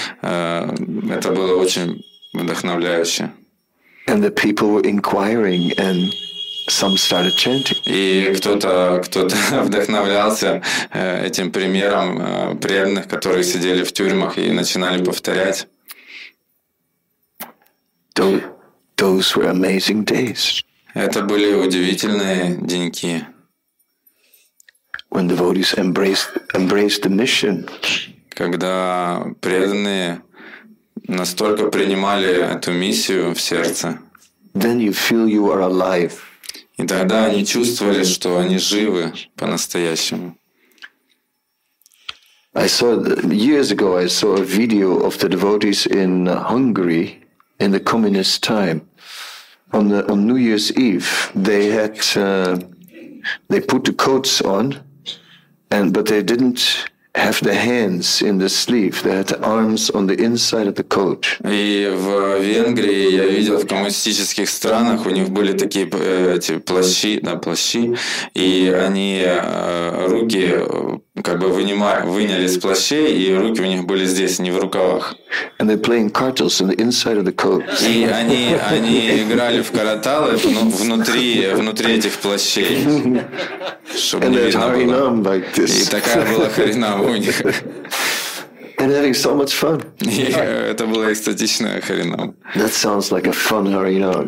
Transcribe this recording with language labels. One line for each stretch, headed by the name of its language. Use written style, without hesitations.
Russian: Это было очень вдохновляюще.
English: And the people were inquiring, and some started chanting.
Russian: И кто-то вдохновлялся этим примером преданных, которые сидели в тюрьмах и начинали повторять.
English: Those were amazing days.
Russian: Это были удивительные деньки.
English: When devotees embraced the mission.
Russian: Когда преданные настолько принимали эту миссию в сердце.
English: Then you feel you are alive.
Russian: И тогда они чувствовали, что они живы по-настоящему.
English: Years ago I saw a video of the devotees in Hungary in the communist time. On New Year's Eve, they put the coats on, And but they didn't have the hands in the sleeve. They had the arms on the inside of the coat.
Russian: И в Венгрии я видел, в коммунистических странах у них были такие эти плащи, да, плащи, и они руки как бы выняли с плащей, и руки у них были здесь, не в рукавах.
English: And they're playing cartels on the inside of the coat.
Russian: И они играли в караталы внутри этих плащей, чтобы не видно было.
English: Like this.
Russian: И такая была харинам у них.
English: And having so much fun.
Russian: Это была эстетичная харинам.
English: That sounds like a fun харинам.